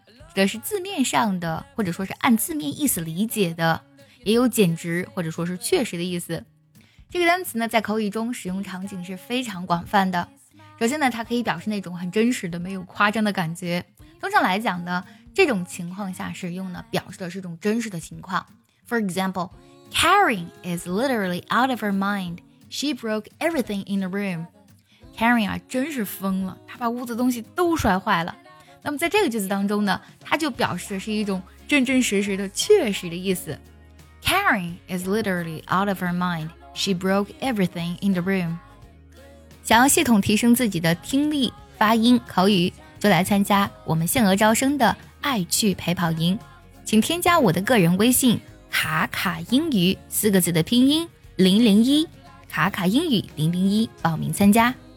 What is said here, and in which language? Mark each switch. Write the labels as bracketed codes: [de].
[zh] 指的是字面上的，或者说是按字面意思理解的，也有简直或者说是确实的意思。这个单词呢，在口语中使用场景是非常广泛的。首先呢，它可以表示那种很真实的、没有夸张的感觉。通常来讲呢，这种情况下使用呢，表示的是一种真实的情况。 [en] For example, Karen is literally out of her mind. She broke everything in the room. [zh] Karen 啊，真是疯了，她把屋子东西都摔坏了。那么在这个句子当中呢，它就表示的是一种真真实实的、确实的意思。 [en] Karen is literally out of her mind. She broke everything in the room. [zh] 想要系统提升自己的听力、发音、口语，就来参加我们限额招生的爱趣陪跑营。请添加我的个人微信卡卡英语四个字的拼音001，卡卡英语001报名参加。